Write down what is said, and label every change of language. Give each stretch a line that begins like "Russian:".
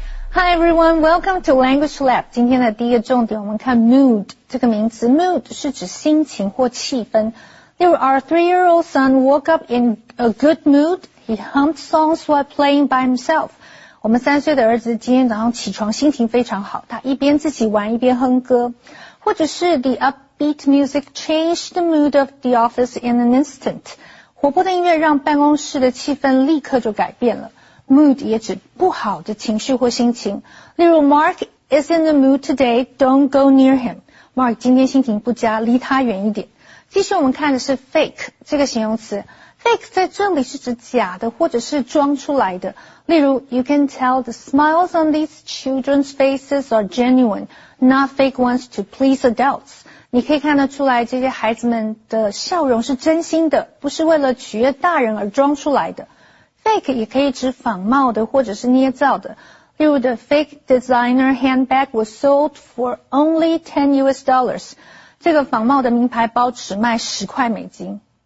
English: Hi everyone, welcome to Language Lab.
Chinese: 今天的第一个重点我们看 mood 这个名词 mood 是指心情或气氛。
English: There our three-year-old son woke up in a good mood. He hummed songs while playing by himself.
Chinese: 我们三岁的儿子今天早上起床心情非常好，他一边自己玩一边哼歌。或者是
English: the upbeat music changed the mood of the office in an instant.
Chinese: 活泼的音乐让办公室的气氛立刻就改变了。 Mood 也指不好的情绪或心情。例如
English: Mark is in the mood today. Don't go near him.
Chinese: Mark 今天心情不佳，离他远一点。继续我们看的是 fake 这个形容词。Fake 在这里是指假的或者是装出来的。例如
English: ,You can tell the smiles on these children's faces are genuine, not fake ones to please adults.
Chinese: 你可以看得出来这些孩子们的笑容是真心的，不是为了取悦大人而装出来的。 Fake 也可以指仿冒的或者是捏造的。例如
English: ,The fake designer handbag was sold for only $10.
Chinese: 这个仿冒的名牌包只卖$10。